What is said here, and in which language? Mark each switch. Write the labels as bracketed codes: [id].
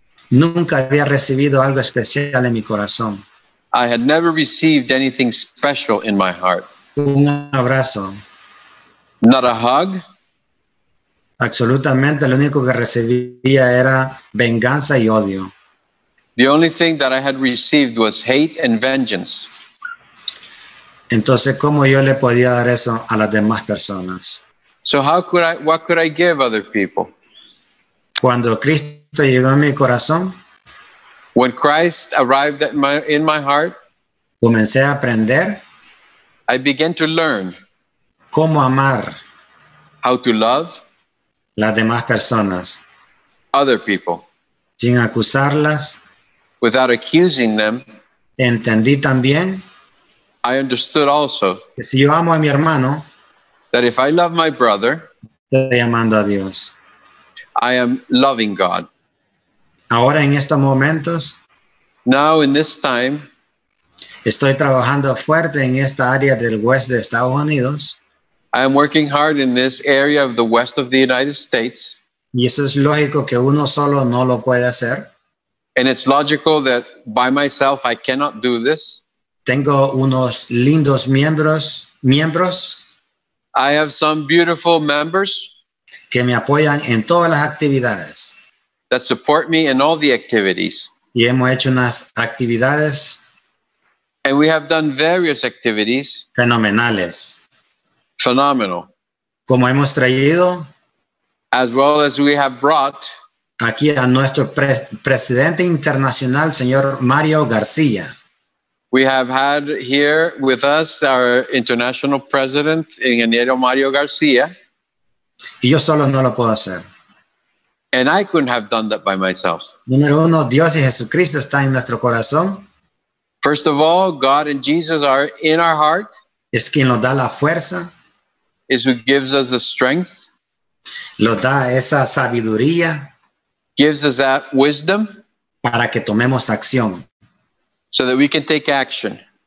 [es] Nunca había recibido algo especial en mi corazón. [en] I had never received anything special in my heart. [es] Un abrazo. [en] Not a hug. [es] Absolutamente, lo único que recibía era venganza y odio. [en] The only thing that I had received was hate and vengeance. [es] Entonces, ¿cómo yo le podía dar eso a las demás personas? [en] So how could I, what could I give other people? [es] Cuando Cristo llegó a mi corazón. [en] When Christ arrived at my, in my heart. [es] Comencé a aprender. [en] I began to learn [es] cómo amar, [en] how to love [es] las demás personas, [en] other people, [es] sin acusarlas, [en] without accusing them. [es] Entendí también, [en] I understood also, [es] que si yo amo a mi hermano, [en] that if I love my brother, [es] estoy amando a Dios. [en] I am loving God. [es] Ahora en estos momentos, [en] now in this time, [es] estoy trabajando fuerte en esta área del West de Estados Unidos. [en] I am working hard in this area of the West of the United States. [es] Y eso es lógico que uno solo no lo puede hacer. [en] And it's logical that by myself I cannot do this. [es] Tengo unos lindos miembros. [en] I have some beautiful members [es] que me apoyan en todas las actividades. [en] That support me in all the activities. [es] Y hemos hecho unas actividades. [en] And we have done various activities. [es] Fenomenales. [en] Phenomenal. [es] Como hemos traído. [en] As well as we have brought. [es] Aquí a nuestro presidente internacional, señor Mario García. [en] We have had here with us our international president, Ingeniero Mario García. [es] Y yo solo no lo puedo hacer. [en] And I couldn't have done that by myself. [es] Número uno, Dios y Jesucristo están en nuestro corazón. [en] First of all, God and Jesus are in our heart. [es] Es quien nos da la fuerza. [en] Is who gives us the strength. [es] Nos da esa sabiduría. [en] Gives us that wisdom. [es] Para que tomemos acción. [en] So that we can take action.